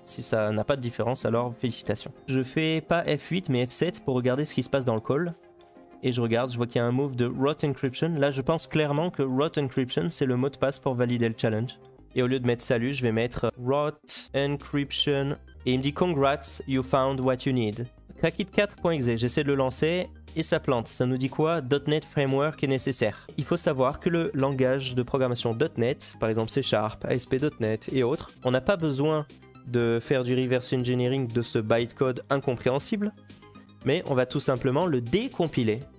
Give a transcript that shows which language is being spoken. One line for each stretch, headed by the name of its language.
French: Si ça n'a pas de différence, alors félicitations. Je fais pas F8, mais F7 pour regarder ce qui se passe dans le call. Et je regarde, je vois qu'il y a un move de Rot Encryption. Là, je pense clairement que Rot Encryption, c'est le mot de passe pour valider le challenge. Et au lieu de mettre salut, je vais mettre Rot Encryption. Et il me dit
English: congrats, you found what you need.
French: Crackit4.exe, j'essaie de le lancer et ça plante. Ça nous dit quoi ? .NET Framework est nécessaire. Il faut savoir que le langage de programmation .NET, par exemple C Sharp, ASP.NET et autres, on n'a pas besoin de faire du reverse engineering de ce bytecode incompréhensible, mais on va tout simplement le décompiler.